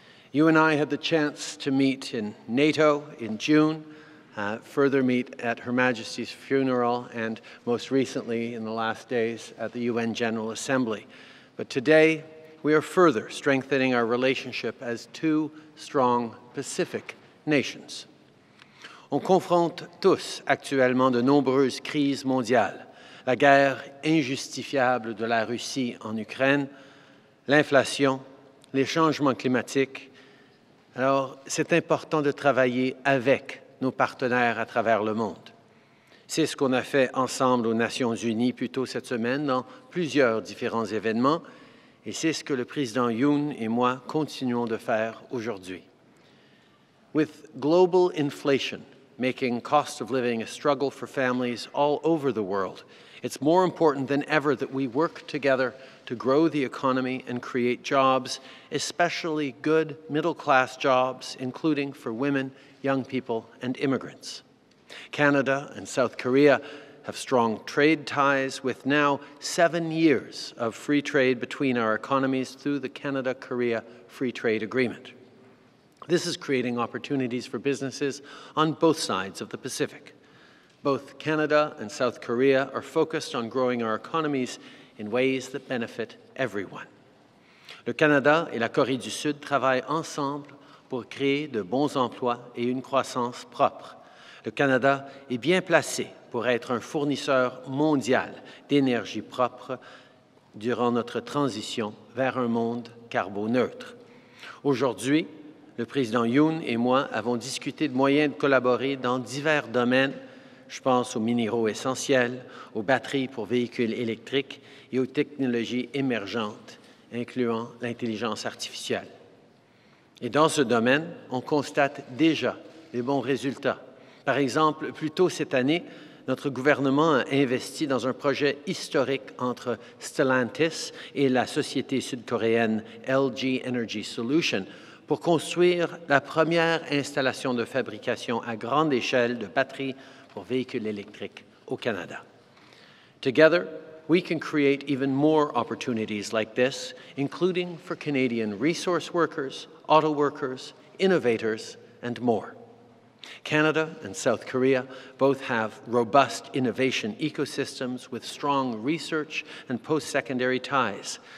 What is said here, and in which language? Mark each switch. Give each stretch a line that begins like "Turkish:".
English: You and I had the chance to meet in NATO in June, further meet at Her Majesty's funeral, and most recently in the last days at the UN General Assembly. But today, we are further strengthening our relationship as two strong Pacific nations.
French: On confronte tous actuellement de nombreuses crises mondiales. La guerre injustifiable de la Russie en Ukraine, l'inflation, les changements climatiques. Alors, c'est important de travailler avec nos partenaires à travers le monde. C'est ce qu'on a fait ensemble aux Nations Unies plus tôt cette semaine dans plusieurs différents événements, et c'est ce que le président Yoon et moi continuons de faire aujourd'hui.
English: With global inflation making cost of living a struggle for families all over the world, it's more important than ever that we work together to grow the economy and create jobs, especially good middle-class jobs, including for women, young people, and immigrants. Canada and South Korea have strong trade ties, with now 7 years of free trade between our economies through the Canada-Korea Free Trade Agreement. This is creating opportunities for businesses on both sides of the Pacific. Both Canada and South Korea are focused on growing our economies in ways that benefit everyone.
French: Le Canada et la Corée du Sud travaillent ensemble pour créer de bons emplois et une croissance propre. Le Canada est bien placé pour être un fournisseur mondial d'énergie propre durant notre transition vers un monde carboneutre. Aujourd'hui, le président Yoon et moi avons discuté de moyens de collaborer dans divers domaines. Je pense aux minéraux essentiels, aux batteries pour véhicules électriques et aux technologies émergentes, incluant l'intelligence artificielle. Et dans ce domaine, on constate déjà des bons résultats. Par exemple, plus tôt cette année, notre gouvernement a investi dans un projet historique entre Stellantis et la société sud-coréenne LG Energy Solution pour construire la première installation de fabrication à grande échelle de batteries pour véhicules électriques au Canada.
English: Together, we can create even more opportunities like this, including for Canadian resource workers, auto workers, innovators, and more. Canada and South Korea both have robust innovation ecosystems with strong research and post-secondary ties.